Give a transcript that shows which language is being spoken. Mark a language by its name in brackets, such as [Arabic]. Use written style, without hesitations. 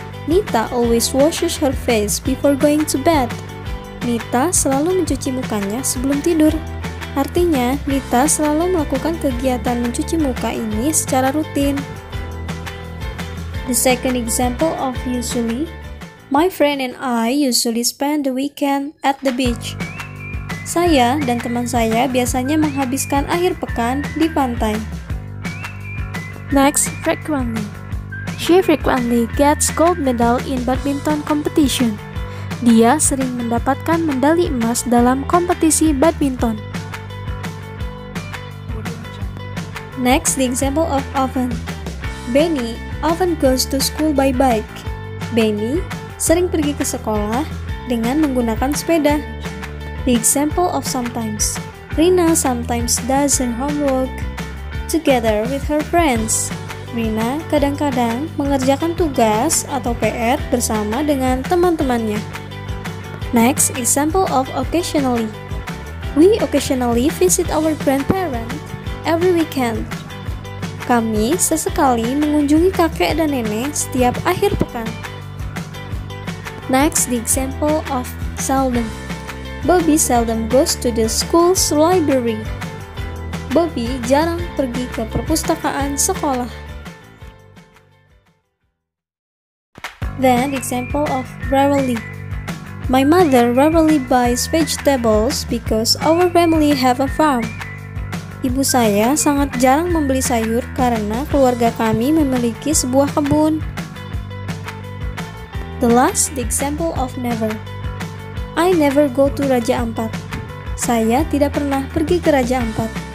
[English] Nita always washes her face before going to bed. [Indonesian] Nita selalu mencuci mukanya sebelum tidur. Artinya, Nita selalu melakukan kegiatan mencuci muka ini secara rutin. [English] The second example of usually. My friend and I usually spend the weekend at the beach. [Indonesian] Saya dan teman saya biasanya menghabiskan akhir pekan di pantai. [English] Next, frequently. She frequently gets gold medal in badminton competition. [Indonesian] Dia sering mendapatkan medali emas dalam kompetisi badminton. [English] Next, the example of often. Benny often goes to school by bike. [Indonesian] Benny sering pergi ke sekolah dengan menggunakan sepeda. [English] The example of sometimes. Rina sometimes does her homework together with her friends. [Indonesian] Rina kadang-kadang mengerjakan tugas atau PR bersama dengan teman-temannya. [English] Next, example of occasionally. We occasionally visit our grandparents every weekend. [Indonesian] Kami sesekali mengunjungi kakek dan nenek setiap akhir pekan. [English] Next, the example of seldom. Bobby seldom goes to the school's library. [Indonesian] Bobby jarang pergi ke perpustakaan sekolah. [English] Then, the example of rarely. My mother rarely buys vegetables because our family have a farm. [Indonesian] Ibu saya sangat jarang membeli sayur karena keluarga kami memiliki sebuah kebun. [English] The last, the example of never. I never go to Raja Ampat. [Indonesian] Saya tidak pernah pergi ke Raja Ampat.